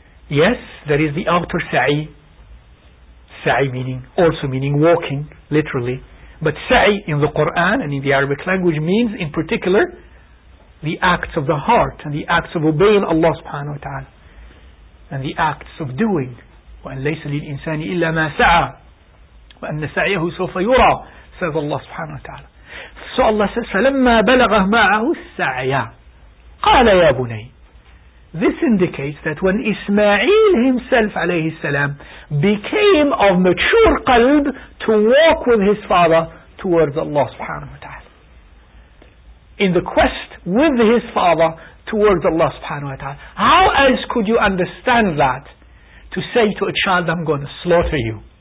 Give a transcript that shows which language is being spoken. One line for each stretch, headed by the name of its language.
English: Yes, that is the outer sa'i. Sa'i meaning, also meaning walking, literally. But sa'i in the Quran and in the Arabic language means, in particular, the acts of the heart and the acts of obeying Allah subhanahu wa ta'ala. And the acts of doing.
Arabic: وَأَن لَيْسَ لِلْإِنسَانِ إِلَّا مَا سَعَى وَأَنَّ سَعْيَهُ سَوْفَ يُرَى,
English: says Allah
Arabic: subhanahu wa ta'ala.
English: So Allah says,
Arabic: فَلَمَّا بَلَغَ مَعَهُ السَّعْيَ قَالَ يَا بُنَيْ.
English: This indicates that when Ismail himself alayhi salam became of mature qalb to walk with his father towards Allah subhanahu wa ta'ala, in the quest with his father towards Allah subhanahu wa ta'ala, how else could you understand that to say to a child, I'm going to slaughter you?